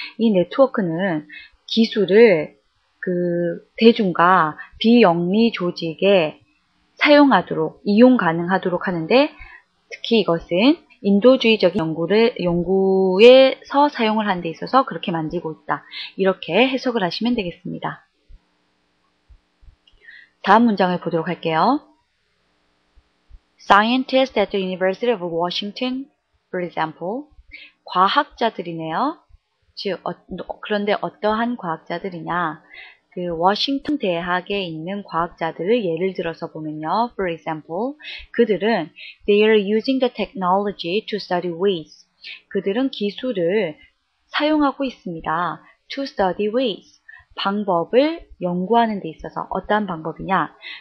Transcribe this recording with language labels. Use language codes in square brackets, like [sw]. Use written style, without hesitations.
[ko] 이 네트워크는 기술을 그 대중과 비영리 조직에 사용하도록, 이용 가능하도록 하는데 특히 이것은 인도주의적인 연구에서 사용을 하는 데 있어서 그렇게 만들고 있다. 이렇게 해석을 하시면 되겠습니다. 다음 문장을 보도록 할게요. [en] Scientists at the University of Washington, for example. [ko] 과학자들이네요. 즉, 그런데 어떠한 과학자들이냐. 그 워싱턴 대학에 있는 과학자들을 예를 들어서 보면요. [en] For example, [ko] 그들은 [en] they are using the technology to study ways. [ko] 그들은 기술을 사용하고 있습니다. [en] To study ways. [ko] 방법을 연구하는 데 있어서 어떠한 방법이냐.